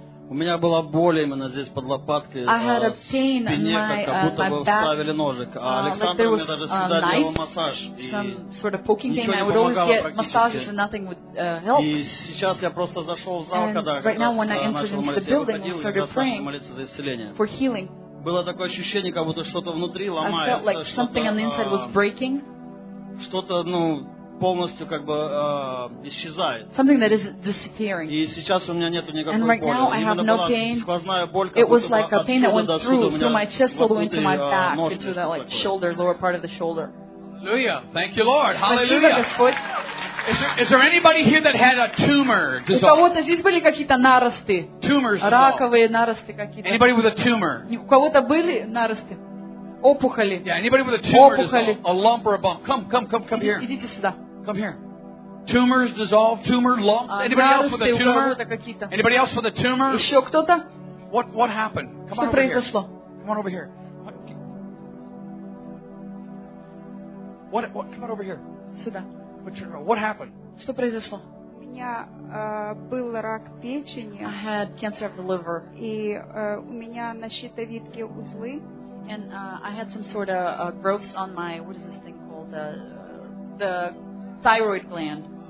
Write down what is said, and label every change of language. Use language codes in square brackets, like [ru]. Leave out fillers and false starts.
[ru] У меня была боль именно здесь под лопаткой, в спине, как будто бы вставили ножик. А Александр мне даже всегда делал массаж, и [en] sort of poking pain. I would always get massages and nothing would help. [ru] И сейчас я просто зашел в зал, когда [en] I started praying for healing. [ru] Было такое ощущение, как будто что-то внутри ломается. [en] I felt like something on the inside was breaking. [ru] Что-то, ну, полностью как бы исчезает. [en] Something that is disappearing. [ru] И сейчас у меня нету никакой [en] and right now, [ru] боли. [en] I have no pain. [ru] Сквозная боль, [en] it was like a pain that went through my chest all the way into my back, into that like shoulder, lower part of the shoulder. Hallelujah. Thank you, Lord. Hallelujah. Is there anybody here that had a tumor? [ru] У кого-то здесь были какие-то наросты? [en] Tumors. [ru] Раковые наросты какие-то. [en] Anybody with a tumor? [ru] У кого-то были наросты? Опухоли. [en] Yeah, anybody with a tumor [ru] опухоли. [en] Dissolved, a lump or a bump. Come here. [ru] Идите сюда. [en] Come here. Tumors dissolved, tumor, lump. Anybody else with a tumor? Anybody else with a tumor? [ru] Еще кто-то? [en] What happened? Come [ru] что [en] on [ru] произошло? [en] Over here. Come on over here. What come on over here. [ru] Сюда. [en] What happened? [ru] Что произошло? У меня был рак печени. [en] I had cancer of the liver. [ru] И у меня на щитовидке узлы. [en] And I had some sort of growths on my what is this thing called the thyroid gland.